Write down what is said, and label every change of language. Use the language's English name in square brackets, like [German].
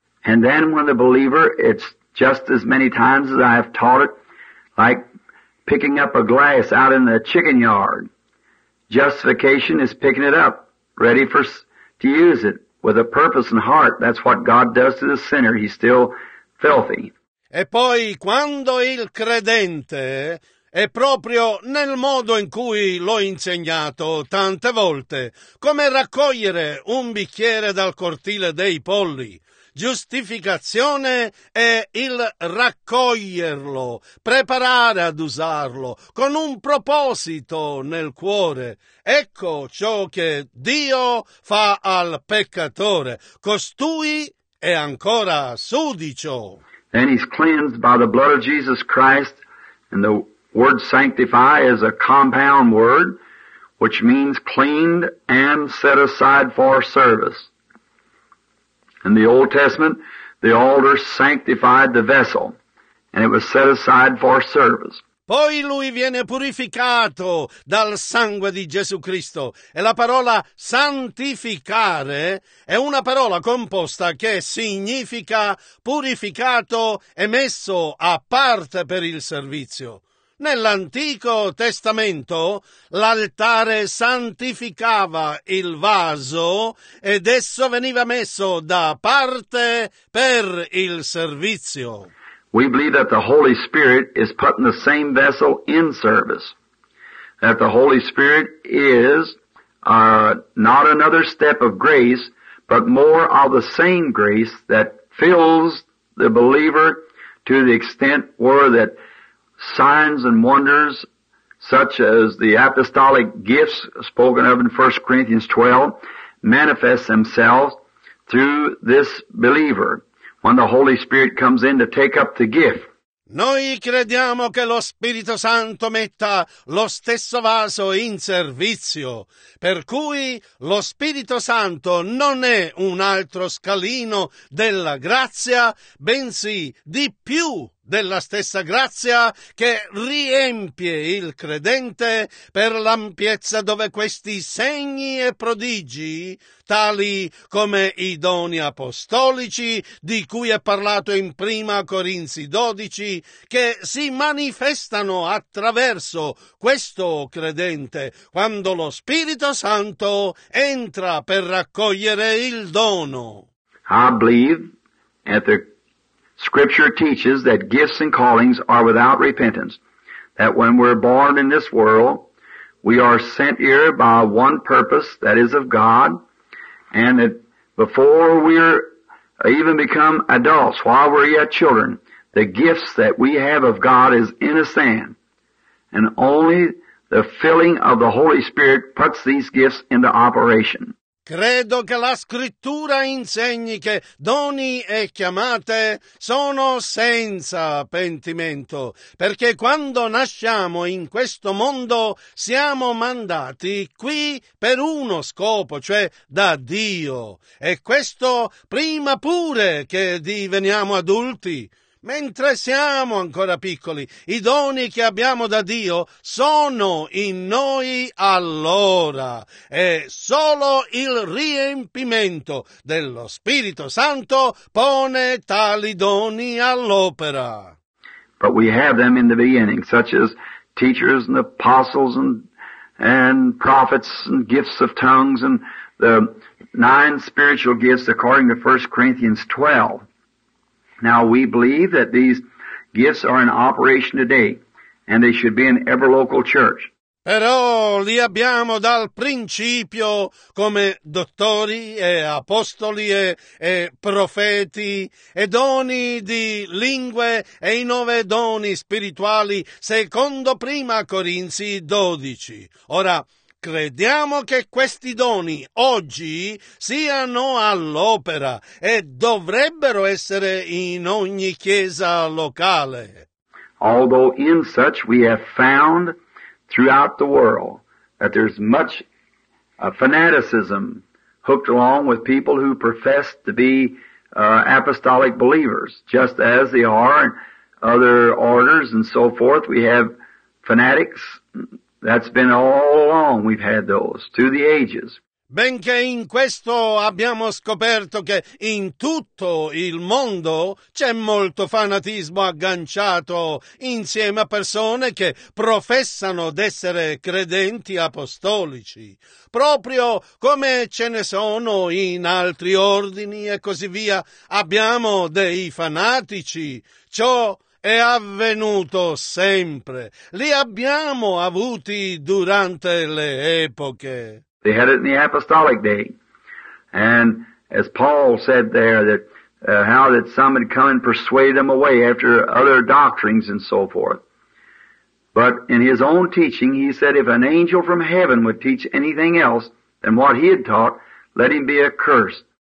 [English] And then when the believer, it's just as many times as I have taught it, like picking up a glass out in the chicken yard. Justification is picking it up, ready for to use it, with a purpose and heart. That's what God does to the sinner. He's still filthy. [Italian] E poi, quando il credente è proprio nel modo in cui l'ho insegnato tante volte, come raccogliere un bicchiere dal cortile dei polli. Giustificazione è il raccoglierlo, preparare ad usarlo, con un proposito nel cuore. Ecco ciò che Dio fa al peccatore, costui è ancora sudicio. [English] And he's cleansed by the blood of Jesus Christ, and the word sanctify is a compound word, which means cleaned and set aside for service. In the Old Testament, the altar sanctified the vessel, and it was set aside for service. [Italian] Poi lui viene purificato dal sangue di Gesù Cristo. E la parola santificare è una parola composta che significa purificato e messo a parte per il servizio. Nell'Antico Testamento l'altare santificava il vaso ed esso veniva messo da parte per il servizio. [English] We believe that the Holy Spirit is putting the same vessel in service. That the Holy Spirit is not another step of grace, but more of the same grace that fills the believer to the extent where that signs and wonders, such as the apostolic gifts spoken of in 1 Corinthians 12, manifest themselves through this believer. When the Holy Spirit comes in to take up the gift. [Italian] Noi crediamo che lo Spirito Santo metta lo stesso vaso in servizio, per cui lo Spirito Santo non è un altro scalino della grazia, bensì di più della stessa grazia che riempie il credente per l'ampiezza dove questi segni e prodigi, tali come i doni apostolici di cui è parlato in Prima Corinzi 12, che si manifestano attraverso questo credente quando lo Spirito Santo entra per raccogliere il dono. [English] I believe at the Scripture teaches that gifts and callings are without repentance, that when we're born in this world, we are sent here by one purpose, that is of God, and that before we're even become adults, while we're yet children, the gifts that we have of God is in a sand, and only the filling of the Holy Spirit puts these gifts into operation. [Italian] Credo che la Scrittura insegni che doni e chiamate sono senza pentimento, perché quando nasciamo in questo mondo siamo mandati qui per uno scopo, cioè da Dio, e questo prima pure che diveniamo adulti. Mentre siamo ancora piccoli, i doni che abbiamo da Dio sono in noi allora. E solo il riempimento dello Spirito Santo pone tali doni all'opera. [English] But we have them in the beginning, such as teachers and apostles and prophets and gifts of tongues and the nine spiritual gifts according to 1 Corinthians 12. Now we believe that these gifts are in operation today and they should be in every local church. [Italian] Però li abbiamo dal principio come dottori e apostoli e profeti e doni di lingue e i nove doni spirituali secondo Prima Corinzi 12. Ora crediamo che questi doni oggi siano all'opera e dovrebbero essere in ogni chiesa locale. [English] Although in such we have found throughout the world that there's much fanaticism hooked along with people who profess to be apostolic believers, just as they are in other orders and so forth, we have fanatics. That's been all along we've had those, through the ages. [Italian] Benché in questo abbiamo scoperto che in tutto il mondo c'è molto fanatismo agganciato insieme a persone che professano d'essere credenti apostolici, proprio come ce ne sono in altri ordini e così via, abbiamo dei fanatici, ciò è avvenuto sempre. Li abbiamo avuti durante le epoche. [English] They had it in the apostolic day. And as Paul said there, that how that some had come and persuaded them away after other doctrines and so forth. But in his own teaching, he said if an angel from heaven would teach anything else than what he had taught, let him be accursed.